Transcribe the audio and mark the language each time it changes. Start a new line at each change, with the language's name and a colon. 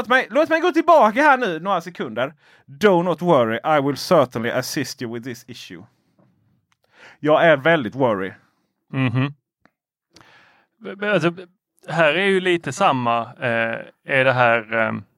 Swedish: Låt mig gå tillbaka här nu några sekunder.
English: Do not worry, I will certainly assist you with this issue.
Swedish: Jag är väldigt worried. Mm-hmm. Alltså, här är ju lite samma. Är det här...